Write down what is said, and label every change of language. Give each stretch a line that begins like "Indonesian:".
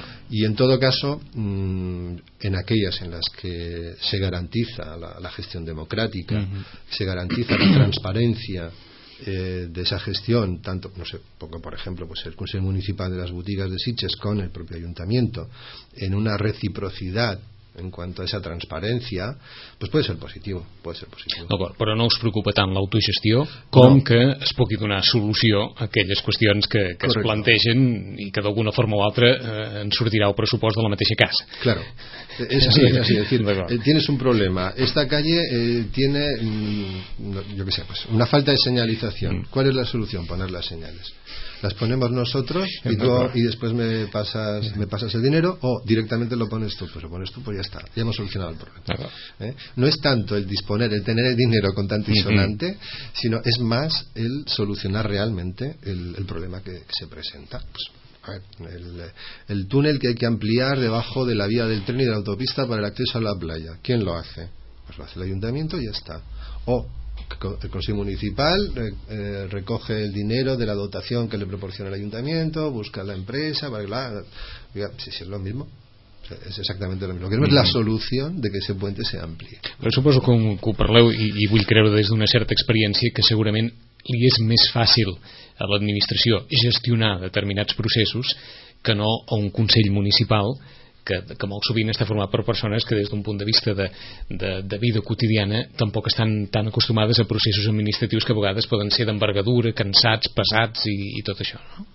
Spanish: Y en todo caso, en aquellas en las que se garantiza la gestión democrática, uh-huh, se garantiza la transparencia de esa gestión, tanto, no sé, pongo por ejemplo pues el Consejo Municipal de las Boutiques de Sitges con el propio ayuntamiento, en una reciprocidad en cuanto a esa transparencia, pues puede ser positivo.
Catalan: No, però no us preocupa tant l'autogestió com no, que es pugui donar solució a aquelles qüestions que es plantegen i que d'alguna forma o altra en sortirà el pressupost de la mateixa casa.
Spanish: Claro, es así, es así. Es decir, tienes un problema. Esta calle tiene, yo qué sé, pues una falta de señalización. ¿Cuál es la solución? Poner las señales. Las ponemos nosotros y tú, y después me pasas el dinero, o directamente lo pones tú. Pues lo pones tú, pues ya está, ya hemos solucionado el problema. No es tanto el disponer, el tener el dinero contante y sonante, sino es más el solucionar realmente el problema que se presenta. Pues, a ver, el túnel que hay que ampliar debajo de la vía del tren y de la autopista para el acceso a la playa, ¿quién lo hace? Pues lo hace el ayuntamiento y ya está. O el Consejo Municipal recoge el dinero de la dotación que le proporciona el ayuntamiento, busca la empresa, bla, bla, bla. Si es lo mismo,
Catalan: es exactament el mateix.
Spanish: Queremos la solució de que ese puente se amplie.
Catalan: Però suposo que ho parleu i vull creure des d'una certa experiència que segurament li és més fàcil a l'administració gestionar determinats processos que no a un consell municipal que molt sovint està format per persones que des d'un punt de vista de vida quotidiana tampoc estan tan acostumades a processos administratius que a vegades poden ser d'envergadura, cansats, pesats i tot això, no?